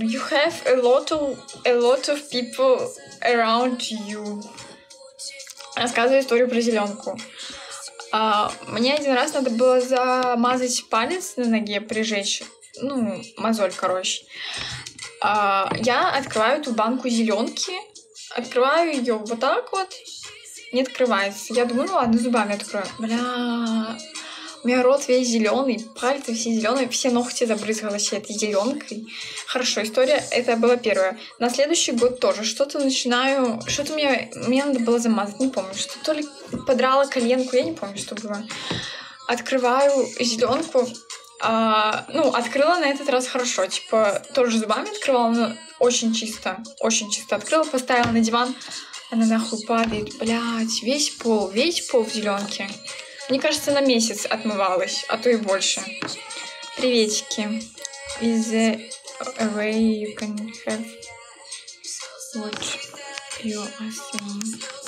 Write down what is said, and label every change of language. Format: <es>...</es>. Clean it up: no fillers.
<en>You have a lot of people around you.</en> <ru>Рассказываю историю про зеленку. Мне один раз надо было замазать палец на ноге, прижечь. Ну, мозоль, короче. Я открываю эту банку зеленки. Открываю ее вот так вот. Не открывается. Я думаю, ну ладно, зубами открою. Бля. У меня рот весь зеленый, пальцы все зеленые, все ногти забрызгалась этой зеленкой. Хорошо, история, это была первая. На следующий год тоже что-то начинаю. Что-то мне надо было замазать, не помню, что то ли подрала коленку, я не помню, что было. Открываю зеленку. Ну, открыла на этот раз хорошо. Типа, тоже зубами открывала, но очень чисто открыла, поставила на диван. Она нахуй падает. Блять, весь пол в зеленке. Мне кажется, на месяц отмывалась, а то и больше. Приветики.</ru> <en>Is there a way you can have what you are saying?</en>